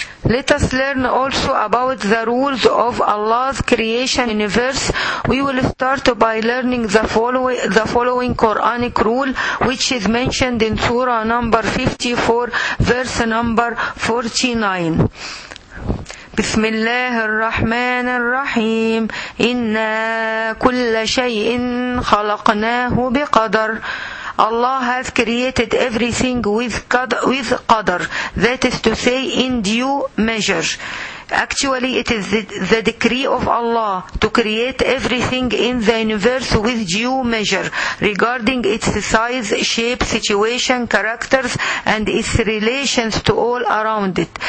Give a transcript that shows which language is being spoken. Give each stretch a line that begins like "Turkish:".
English: Let us learn also about the rules of Allah's creation universe. We will start by learning the following Quranic rule, which is mentioned in Surah number 54, verse number 49.
Arabic: بسم الله الرحمن الرحيم إنا كل شيء خلقناه بقدر.
English: Allah has created everything with qadr, that is to say in due measure. Actually, it is the decree of Allah to create everything in the universe with due measure regarding its size, shape, situation, characters, and its relations to all around it.